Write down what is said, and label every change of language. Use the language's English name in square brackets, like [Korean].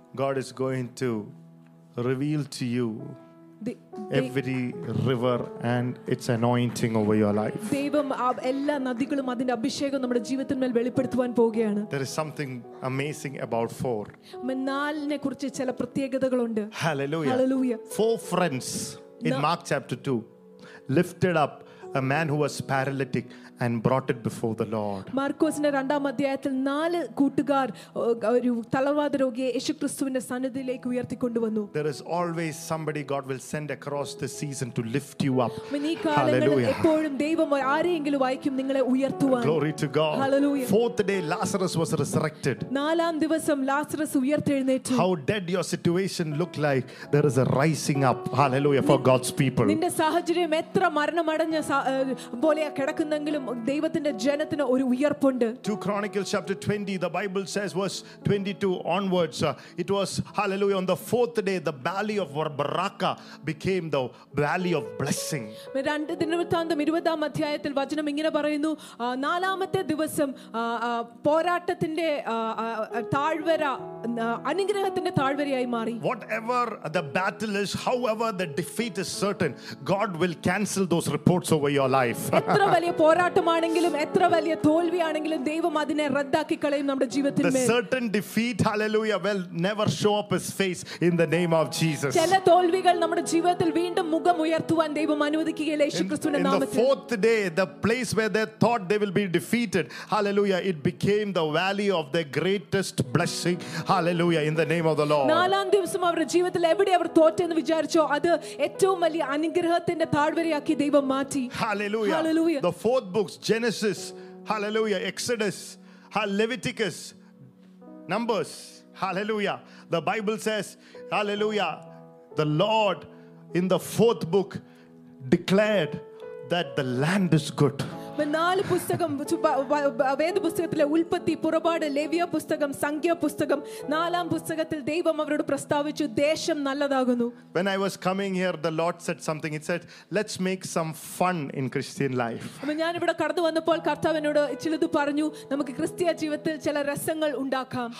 [English] God is going to reveal to you every river and its anointing over your life. [Malayalam] ദൈവം എല്ലാ നദികളും അതിന്റെ അഭിഷേകം നമ്മുടെ ജീവിതത്തിൽമേൽ വെളിപ്പെടുത്തുവാൻ പോവുകയാണ്. [English] There is something amazing about four. [Malayalam] നാലിനെ കുറിച്ച് ചില പ്രത്യേകതകളുണ്ട്. [English] Hallelujah. Hallelujah. Four friends in Mark chapter 2 lifted up a man who was paralytic and brought it before the Lord. [Malayalam] മാർക്കോസിന്റെ 2-ാം അധ്യായത്തിൽ 4 കൂട്ടുകാർ ഒരു തളർവാദ രോഗിയെ യേശുക്രിസ്തുവിന്റെ സന്നിധിയിലേക്ക് ഉയർത്തിക്കൊണ്ടുവന്നു. [English] There is always somebody God will send across the season to lift you up. Hallelujah. [Malayalam] എപ്പോഴും ദൈവം ആരെയെങ്കിലും അയക്കും നിങ്ങളെ ഉയർത്തുവാൻ. [English] Glory to God. Hallelujah. Fourth day Lazarus was resurrected. [Malayalam] 4-ാം ദിവസം ലാസറസ് ഉയർത്തെഴുന്നേറ്റു. [English] How dead your situation looked like, there is a rising up. Hallelujah. For God's people. [Malayalam] നിന്റെ സാഹചര്യം എത്ര മരണമടഞ്ഞ പോലെയാ കിടക്കുന്നെങ്കിലും ദൈവത്തിന്റെ ജനത്തിന് ഒരു ഉയർപ്പുണ്ട്. [English] 2 Chronicles chapter 20, the Bible says verse 22 onwards, it was, hallelujah, on the fourth day the valley of Baraka became the valley of blessing. [Malayalam] രണ്ട് ദിനവൃത്താന്തം 20-ാം അധ്യായത്തിൽ വചനം ഇങ്ങനെ പറയുന്നു, 4-ാമത്തെ ദിവസം പോരാട്ടത്തിന്റെ താഴ്വര അനുഗ്രഹത്തിന്റെ താഴ്വരയായി മാറി. [English] Whatever the battle is, however the defeat is certain, God will cancel those reports over your life. [Malayalam] എത്ര വലിയ പോരാട്ടമാണെങ്കിലും എത്ര വലിയ തോൽവിയാണെങ്കിലും ദൈവം അതിനെ റദ്ദാക്കി കളയും നമ്മുടെ ജീവിതത്തിൽ. [English] The certain defeat, hallelujah, will never show up his face in the name of Jesus. [Malayalam] ചില തോൽവികൾ നമ്മുടെ ജീവിതത്തിൽ വീണ്ടും മുഖം ഉയർത്തുവാൻ ദൈവം അനുവദിക്കുകയില്ല യേശുക്രിസ്തുവിന്റെ നാമത്തിൽ. [English] In the fourth day, the place where they thought they will be defeated, hallelujah, it became the valley of their greatest blessing. Hallelujah, in the name of the Lord. [Malayalam] 4-ാം ദിവസം അവരുടെ ജീവിതത്തിൽ എവിടെ അവർ തോറ്റെന്ന് വിചാരിച്ചോ അത് ഏറ്റവും വലിയ അനുഗ്രഹത്തിന്റെ താഴ്വരയാക്കി ദൈവം മാറ്റി. [English] Hallelujah. Hallelujah. The fourth books, Genesis, hallelujah, Exodus, Leviticus, Numbers, hallelujah. The Bible says, hallelujah, the Lord in the fourth book declared that the land is good. [Malayalam] നാല് പുസ്തകം, വേദപുസ്തകത്തിലെ ഉൽപ്പത്തി, പുറപാട്, ലേവ്യ പുസ്തകം, സംഖ്യാ പുസ്തകം, 4-ാം പുസ്തകത്തിൽ ദൈവം അവരോട് പ്രസ്താവിച്ചു, ദേശം നല്ലതാകുന്നു. [English] When I was coming here, the Lord said something. He said, let's make some fun in Christian life. [Malayalam] ഞാൻ ഇവിടെ കടന്നു വന്നപ്പോൾ കർത്താവ് എന്നോട് ചിലത് പറഞ്ഞു, നമുക്ക് ക്രിസ്തീയ ജീവിതത്തിൽ ചില രസങ്ങൾ ഉണ്ടാക്കാം.